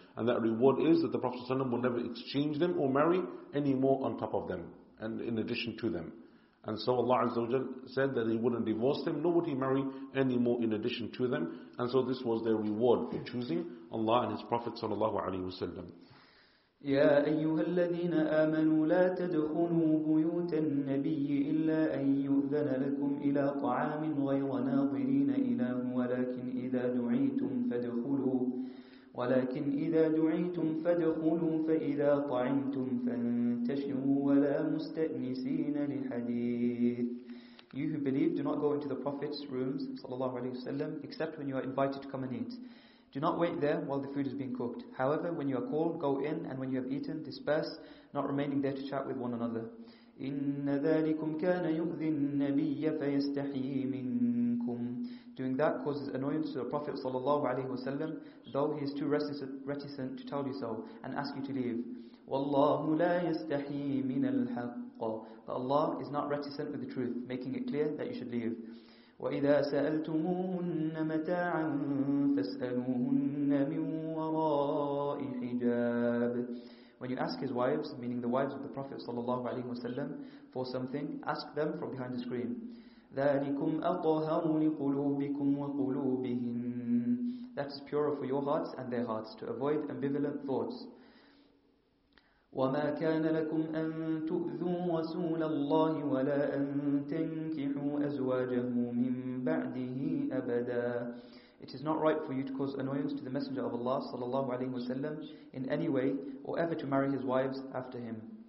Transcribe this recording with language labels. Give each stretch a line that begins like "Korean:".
English: And that reward is that the Prophet ﷺ will never exchange them or marry any more on top of them and in addition to them. And so Allah
Arabic: Azza wa Jal
English: said that He wouldn't divorce them, nor would He marry any more in addition to them. And so this was their reward for choosing Allah and His Prophet
Arabic: sallallahu alaihi wasallam. يا أيها الذين آمنوا لا تدخلوا بيوت النبي إلا أن يؤذن لكم إلى طعام غير ناظرين إليه ولكن إذا دعيتم فادخلوا فإذا طعمتم فانتشروا ولا مستأنسين لحديث.
English: You who believe, do not go into the Prophet's rooms
Arabic: صلى الله عليه وسلم
English: except when you are invited to come and eat. Do not wait there while the food is being cooked. However, when you are called, go in, and when you have eaten, disperse, not remaining there to chat with one another.
Arabic: إِنَّ ذَلِكُمْ كَانَ يُؤْذِي النَّبِيَّ فَيَسْتَحْيِي مِنْكُمْ.
English: Doing that causes annoyance to the Prophet ﷺ, though he is too reticent to tell you so, and ask you to leave.
Arabic: وَاللَّهُ لَا يَسْتَحْيِي مِنَ الْحَقِّ.
English: But Allah is not reticent with the truth, making it clear that you should leave.
Arabic: وإذا سألتموهن متاعا فاسألوهن من وراء حجاب.
English: When you ask his wives, meaning the wives of the Prophet
Arabic: sallallahu alaihi wasallam,
English: for something, ask them from behind the screen.
Arabic: ذلكم أطهر لقلوبكم وقلوبهن.
English: That is purer for your hearts and their hearts, to avoid ambivalent thoughts.
Arabic: وَمَا كَانَ لَكُمْ أَن تُؤْذُوا رَسُولَ اللَّهِ وَلَا أَن تَنْكِحُوا أَزْوَاجَهُ مِنْ بَعْدِهِ أَبَدًا.
English: It is not right for you to cause annoyance to the Messenger of Allah
Arabic: sallallahu alaihi wasallam
English: in any way or ever to marry his wives after him.